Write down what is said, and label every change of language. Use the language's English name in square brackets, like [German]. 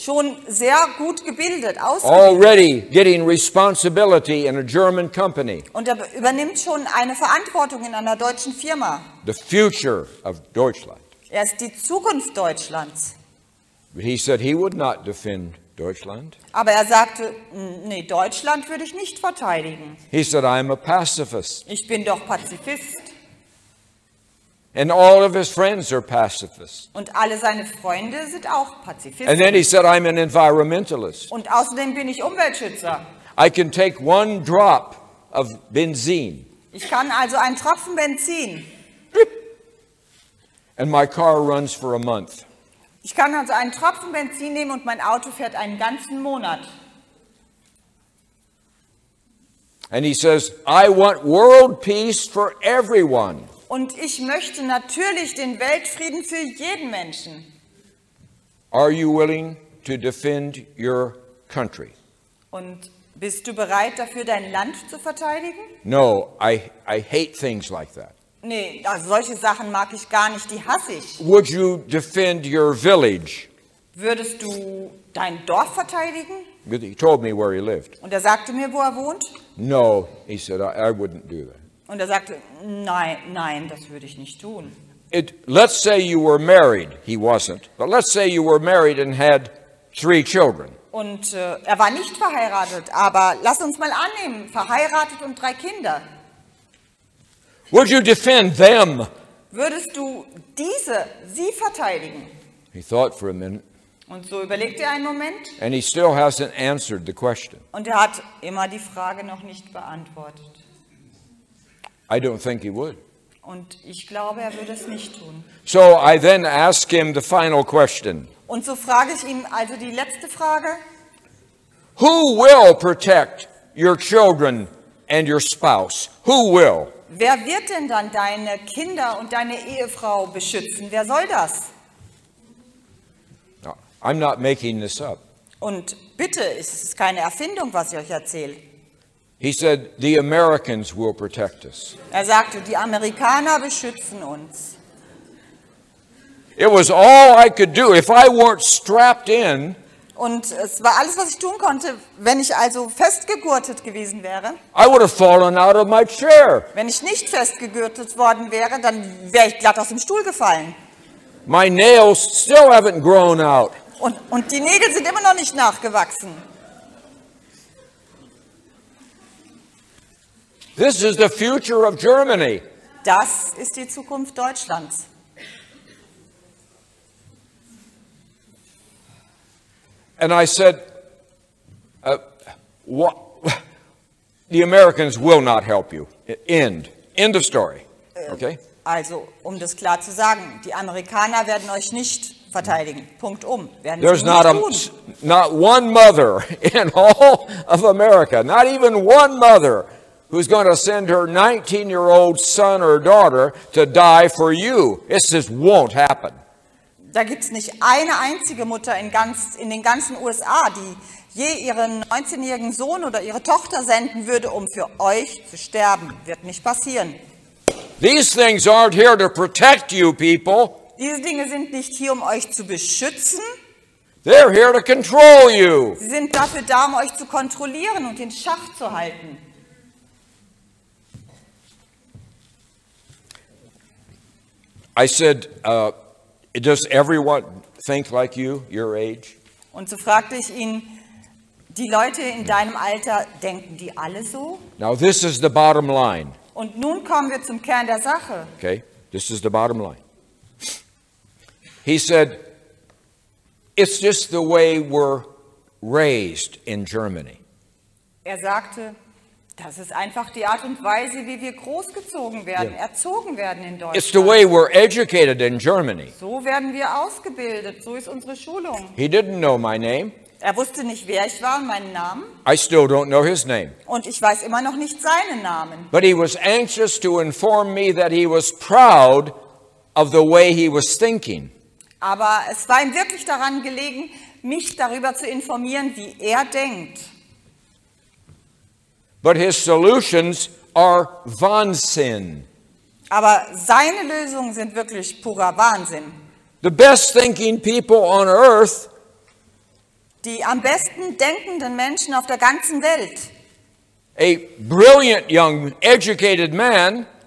[German] Schon sehr gut gebildet, ausgebildet. [English] Already getting responsibility in a German company. [German] Und übernimmt schon eine Verantwortung in einer deutschen Firma. [English] The future of Deutschland. [German] Ist die Zukunft Deutschlands. [English] But he said he would not defend Deutschland. [German] Aber er sagte, nee, Deutschland würde ich nicht verteidigen. [English] He said, I'm a pacifist. [German] Ich bin doch Pazifist. [English] And all of his friends are pacifists. [German] Und alle seine Freunde sind auch Pazifisten. [English] And then he said, I'm an environmentalist. [German] Und außerdem bin ich Umweltschützer. [English] I can take one drop of benzene. [German] Ich kann also einen Tropfen Benzin. [English] And my car runs for a month. [German] Ich kann also einen Tropfen Benzin nehmen und mein Auto fährt einen ganzen Monat. [English] And he says, I want world peace for everyone. [German] Und ich möchte natürlich den Weltfrieden für jeden Menschen. [English] Are you willing to defend your country? [German] Und bist du bereit dafür, dein Land zu verteidigen? [English] No, I hate things like that. [German] Nee, also solche Sachen mag ich gar nicht, die hasse ich. [English] Would you defend your village? [German] Würdest du dein Dorf verteidigen? [English] He told me where he lived. [German] Und sagte mir, wo wohnt? [English] No, he said, I wouldn't do that. [German] Und sagte, nein, das würde ich nicht tun. [English] Let's say you were married, he wasn't, but let's say you were married and had three children. [German] Und war nicht verheiratet, aber lass uns mal annehmen, verheiratet und drei Kinder. [English] Would you defend them? [German] Würdest du sie verteidigen? [English] He thought for a minute. [German] Und so überlegte einen Moment. [English] And he still hasn't answered the question. [German] Und hat immer die Frage noch nicht beantwortet. [English] I don't think he would. [German] Und ich glaube, würde es nicht tun. [English] So I then ask him the final question. [German] Und so frage ich ihn also die letzte Frage. [English] Who will protect your children and your spouse? Who will? [German] Wer wird denn dann deine Kinder und deine Ehefrau beschützen? Wer soll das? [English] No, I'm not making this up. [German] Und bitte, es ist keine Erfindung, was ich euch erzähle. [English] He said, the Americans will protect us. [German] Sagte, die Amerikaner beschützen uns. [English] It was all I could do. If I weren't strapped in, [German] und es war alles, was ich tun konnte, wenn ich also festgegurtet gewesen wäre. [English] I would have fallen out of my chair. [German] Wenn ich nicht festgegurtet worden wäre, dann wäre ich glatt aus dem Stuhl gefallen. [English] My nails still haven't grown out. [German] Und die Nägel sind immer noch nicht nachgewachsen. [English] This is the future of Germany. [German] Das ist die Zukunft Deutschlands. [English] And I said, the Americans will not help you. End of story. Okay? [German] Also, das klar zu sagen, die Amerikaner werden euch nicht verteidigen. Punkt werden [English] there's [German] nicht tun. [English] Not one mother in all of America, not even one mother who's going to send her 19-year-old son or daughter to die for you. This just won't happen. [German] Da gibt es nicht eine einzige Mutter in den ganzen USA, die je ihren 19-jährigen Sohn oder ihre Tochter senden würde, um für euch zu sterben. Wird nicht passieren. [English] These things aren't here to protect you, people. [German] Diese Dinge sind nicht hier, um euch zu beschützen. [English] They're here to control you. [German] Sie sind dafür da, um euch zu kontrollieren und in Schach zu halten. [English] I said, Does everyone think like you, your age? [German] Und so fragte ich ihn, die Leute in deinem Alter, denken die alle so? [English] Now this is the bottom line. [German] Und nun kommen wir zum Kern der Sache. [English] Okay, this is the bottom line. He said, it's just the way we're raised in Germany. [German] Er sagte, das ist einfach die Art und Weise, wie wir großgezogen werden, yeah, erzogen werden in Deutschland. [English] It's the way we're educated in Germany. [German] So werden wir ausgebildet, so ist unsere Schulung. [English] He didn't know my name. [German] Er wusste nicht, wer ich war und meinen Namen. [English] I still don't know his name. [German] Und ich weiß immer noch nicht seinen Namen. [English] But he was anxious to inform me that he was proud of the way he was thinking. [German] Aber es war ihm wirklich daran gelegen, mich darüber zu informieren, wie er denkt. [English] But his solutions are Wahnsinn. [German] Aber seine Lösungen sind wirklich purer Wahnsinn. [English] The best thinking people on earth, [German] die am besten denkenden Menschen auf der ganzen Welt, [English] a brilliant young educated man,